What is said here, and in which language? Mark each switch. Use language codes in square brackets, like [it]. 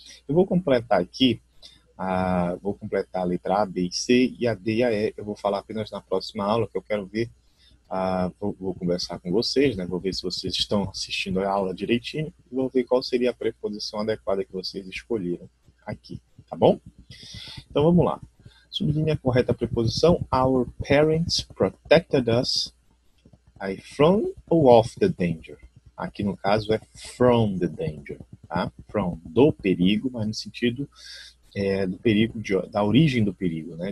[pt] Eu vou completar aqui, vou completar a letra A, B e C, e a D e a E. Eu vou falar apenas na próxima aula, que eu quero ver, vou conversar com vocês, né? Vou ver se vocês estão assistindo a aula direitinho, e vou ver qual seria a preposição adequada que vocês escolheram aqui. Tá bom? Então vamos lá. Sublinhe a correta preposição. [en] Our parents protected us from ou of the danger? [pt] Aqui no caso é from the danger, tá? From, do perigo, mas no sentido do perigo, da origem do perigo, né?